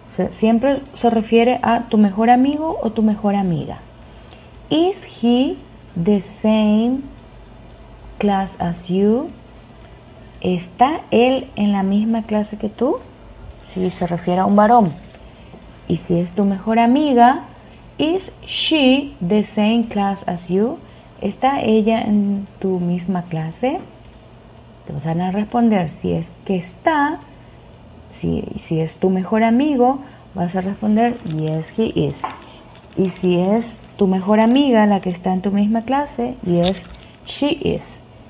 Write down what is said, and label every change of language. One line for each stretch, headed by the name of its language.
Spanish: Siempre se refiere a tu mejor amigo o tu mejor amiga.
English: Is he the same class as you?
Spanish: ¿Está él en la misma clase que tú? Si se refiere a un varón. Y si es tu mejor amiga,
English: is she the same class as you?
Spanish: ¿Está ella en tu misma clase? Te van a responder, si es que está, si es tu mejor amigo, vas a responder,
English: yes, he is.
Spanish: Y si es tu mejor amiga, la que está en tu misma clase,
English: yes, she is.